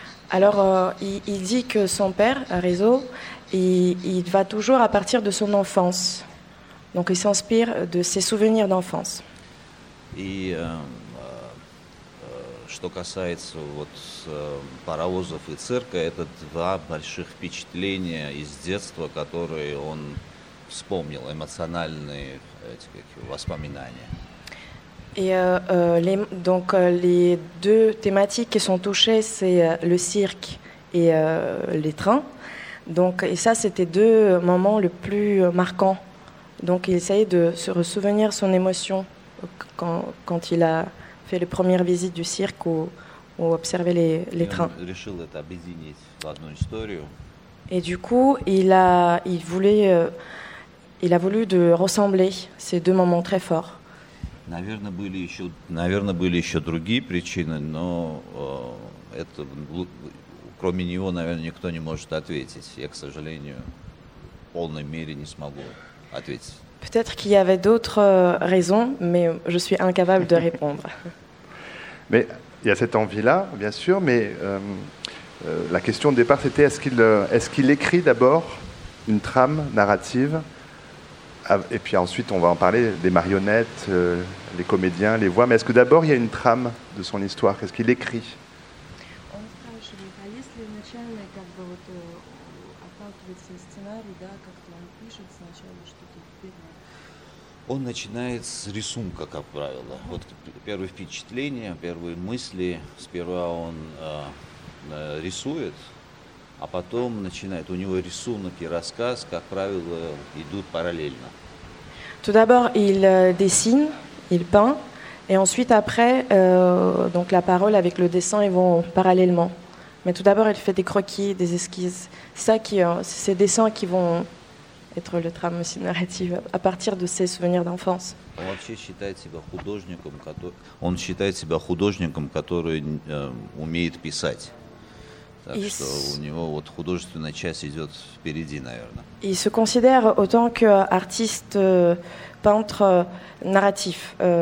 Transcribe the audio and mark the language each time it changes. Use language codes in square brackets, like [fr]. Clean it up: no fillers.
[fr] Alors, il dit que son père, Rezo, il va toujours à partir de son enfance. Donc, il s'inspire de ses souvenirs d'enfance. [ru] Et, что касается вот паровозов и цирка, это два больших впечатления из детства, которые он вспомнил, эмоциональные эти какие воспоминания. [fr] Et les deux thématiques qui sont touchées, c'est le cirque et les trains. Donc, et ça, c'était deux moments les plus marquants. Donc, il essayait de se ressouvenir son émotion quand il a fait les premières visites du cirque ou observé les trains. Il a décidé de l'abîmer dans une histoire. Et du coup, il a voulu de ressembler ces deux moments très forts. [ru] Наверное, были еще другие причины, но это, кроме него, наверное, никто не может ответить. Я, к сожалению, в полной мере не смогу ответить. [fr] Peut-être qu'il y avait d'autres raisons, mais je suis incapable de répondre. Mais il y a cette envie-là, bien sûr, mais la question de départ, c'était est-ce qu'il écrit d'abord une trame narrative? Et puis ensuite, on va en parler, des marionnettes, les comédiens, les voix. Mais est-ce que d'abord, il y a une trame de son histoire? Qu'est-ce qu'il écrit? [ru] On spрашивает, а есть ли вначале, как бы вот отталкивается сценарий, да, как он пишет сначала что-то первое? Он начинает с рисунка, как правило. Вот первые впечатления, первые мысли. Сперва он рисует. А потом начинает у него рисунок и рассказ, как правило, идут параллельно. [fr] Tout d'abord, il dessine, il peint, et ensuite après, donc la parole avec le dessin, ils vont parallèlement. Mais tout d'abord, il fait des croquis, des esquisses. C'est ces dessins qui vont être le trame aussi narrative à partir de ses souvenirs d'enfance. [ru] Он вообще считает себя художником, который он считает себя художником, который умеет писать. [fr] Il se considère autant qu'artiste, peintre, narratif.